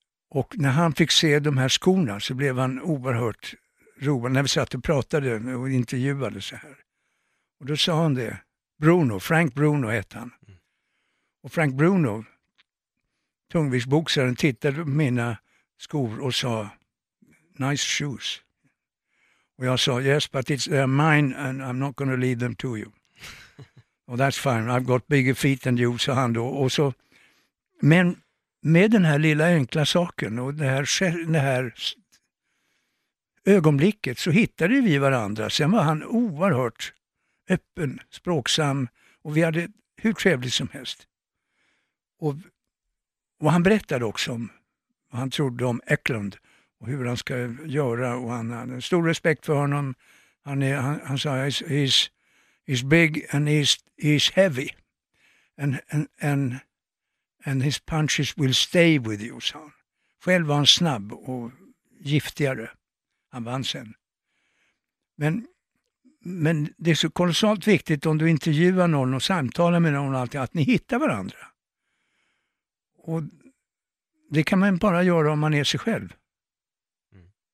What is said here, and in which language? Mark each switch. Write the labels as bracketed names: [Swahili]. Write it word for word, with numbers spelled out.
[Swedish] Och när han fick se de här skorna så blev han oerhört road. När vi satt och pratade och intervjuade så här. Och då sa han det. Bruno, Frank Bruno hette han. Och Frank Bruno, tungviktsboxaren, tittade på mina skor och sa nice shoes. Och jag sa [English] yes but it's uh, mine and I'm not going to leave them to you. Och that's fine, I've got bigger feet than you, [Swedish] sa han då. Och så, men med den här lilla enkla saken och det här, det här ögonblicket så hittade vi varandra. Sen var han oerhört öppen, språksam och vi hade hur trevligt som helst. Och, och han berättade också om vad han trodde om Eklund och hur han ska göra. Och han hade en stor respekt för honom. Han, är, han, han sa [English] he's, he's, he's big and he's, he's heavy. And, and, and And his punches will stay with you, [Swedish] sa han. Själv var han snabb och giftigare. Han vann sen. Men, men det är så kolossalt viktigt om du intervjuar någon och samtalar med någon alltid att ni hittar varandra. Och det kan man bara göra om man är sig själv. Mm.